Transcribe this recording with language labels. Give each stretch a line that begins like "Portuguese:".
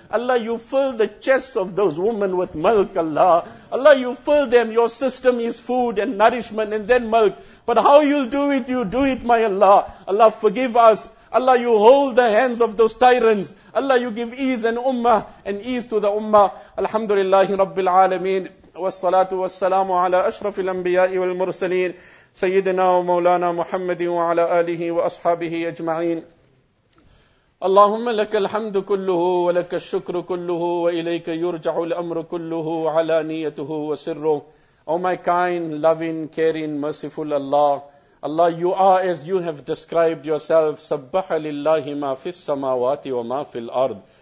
English: Allah, you fill the chests of those women with milk, Allah. Allah, you fill them. Your system is food and nourishment and then milk. But how you'll do it, you do it, my Allah. Allah, forgive us. Allah, you hold the hands of those tyrants. Allah, you give ease and ummah and ease to the ummah. Alhamdulillahi Rabbil Alameen.
Arabic: والصلاة والسلام على أشرف الأنبياء والمرسلين سيدنا ومولانا محمد وعلى آله وأصحابه أجمعين. اللهم لك الحمد كله ولك الشكر كله وإليك يرجع الأمر كله على نيته وسره.
English: Oh my kind, loving, caring, merciful Allah. Allah, you are as you have described yourself.
Arabic: سبح لله ما في السماوات وما في الأرض.